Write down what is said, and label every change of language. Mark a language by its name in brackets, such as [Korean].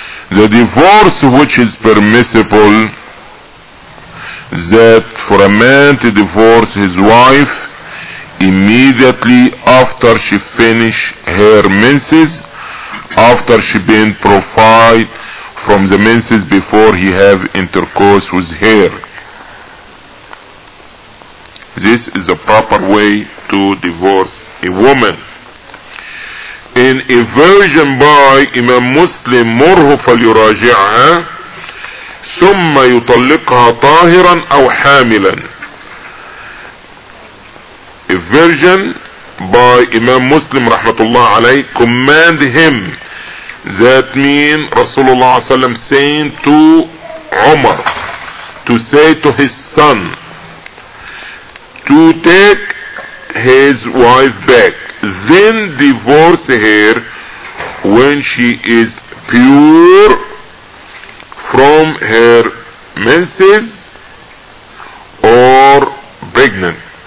[English] The divorce which is permissible, that for a man to divorce his wife immediately after she finish her menses, after she been purified from the menses before he have intercourse with her. This is a proper way to divorce a woman. In a version by Imam Muslim, [Arabic] مُرْهُ فَلْيُرَاجِعْهَا ثُمَّ يُطَلِّقْهَا طَاهِرًا أَوْ حَامِلًا. [English] A version by Imam Muslim rahmatullah alayh, command him. That mean Rasulullah sallam saying to Umar to say to his son to take his wife back, then divorce her when she is pure from her menses or pregnant.